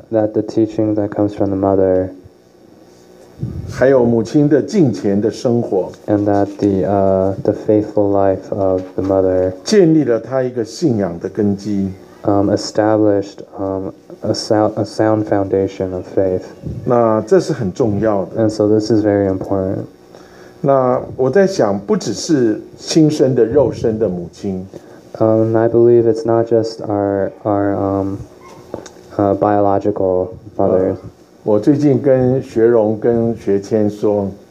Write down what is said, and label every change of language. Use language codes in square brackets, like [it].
[en] That the teaching that comes from the mother. [zh] 还有母亲的敬虔的生活 [en] ，and that the faithful life of the mother [zh] 建立了她一个信仰的根基 [en] ，established a sound foundation of faith。 [zh] 那这是很重要的 [en] ，and so this is very important。 [zh] 那我在想，不只是亲生的肉身的母亲 [en] ，I believe it's not just our biological mother。 [zh] 我最近跟学荣跟学谦说